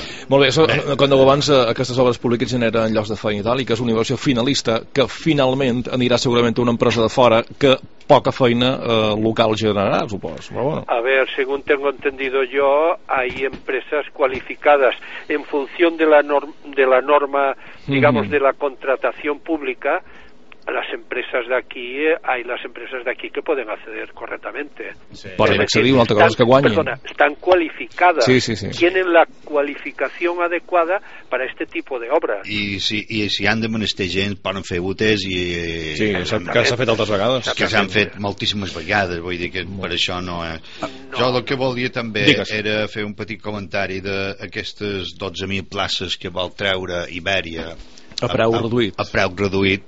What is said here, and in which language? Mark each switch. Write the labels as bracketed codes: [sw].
[ca] Molt bé, quan deu abans aquestes obres públiques generen llocs de feina i tal, i que és una inversió finalista que finalment anirà segurament a una empresa de fora que poca feina local generarà, suposo. Però bueno. [es] A ver, según tengo entendido yo, hay empresas cualificadas en función de la norma, digamos, de la contratación pública, las empresas de aquí, hay las empresas de aquí que pueden acceder correctamente. Sí. Pueden [ca] accedir, una altra cosa és que guanyin. [es] Perdona, están cualificadas. Sí, sí, sí. Tienen la cualificación adecuada para este tipo de obras. [ca] I si han de menester gent, poden fer UTES i... Sí, que s'ha fet altres vegades. Que s'han fet moltíssimes vegades, vull dir que per això no... Jo el que volia també era fer un petit comentari d'aquestes 12.000 places que vol treure Ibèria A preu reduït